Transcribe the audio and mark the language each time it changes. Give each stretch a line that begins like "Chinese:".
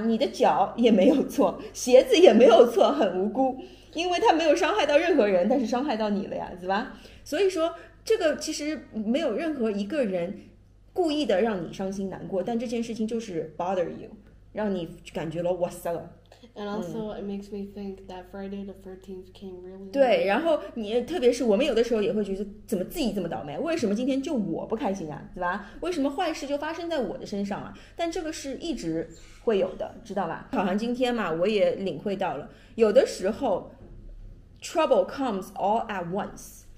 Chinese: 你的脚也没有错，鞋子也没有错，很无辜，因为它没有伤害到任何人，但是伤害到你了呀，是吧？所以说，这个其实没有任何一个人故意的让你伤心难过，但这件事情就是
English: bother you，
Chinese: 让你感觉了哇塞了，
English: And also, it makes me think that Friday the 13th came really
Chinese: 对，
English: late.
Chinese: 然后你特别是我们有的时候也会觉得怎么自己这么倒霉？为什么今天就我不开心啊，对吧？为什么坏事就发生在我的身上了？但这个是一直会有的，知道吧？好像今天嘛，我也领会到了，有的时候
English: trouble comes all at once。